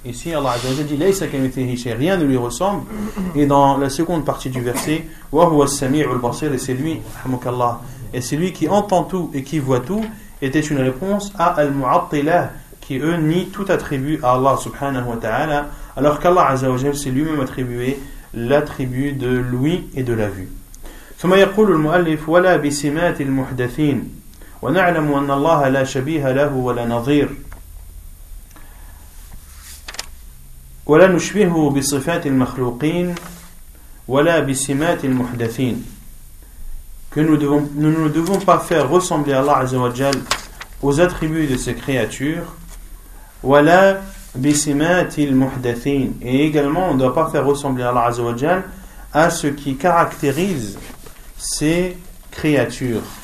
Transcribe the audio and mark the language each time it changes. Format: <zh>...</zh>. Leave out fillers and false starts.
<fr>Ici, Allah Azza wa Jalla dit</fr> <ar>laysa kamithlihi shay,</ar> <fr>rien ne lui ressemble. Et dans la seconde partie du verset,</fr> <ar>wa huwa as-sami'u al-basir,</ar> <fr>et c'est lui, rahmukallah. Et c'est lui qui entend tout et qui voit tout, était une réponse à Al-Mu'attilah, qui eux nient tout attribut à Allah subhanahu wa ta'ala, alors qu'Allah Azza wa Jal s'est lui-même attribué l'attribut de l'ouïe et de la vue.</fr> <ar>ثم يقول المؤلف ولا بسمات المحدثين ونعلم أن الله لا شبيه له ولا نظير ولا نشبهه بصفات المخلوقين ولا بسمات المحدثين.</ar> <fr>Que nous ne devons pas faire ressembler Allah Azza wa Jal aux attributs de ses créatures,</fr> <ar>wala bisimatil muhdathin,</ar> <fr>et également on ne doit pas faire ressembler Allah Azza wa Jal à ce qui caractérise ces créatures.</fr>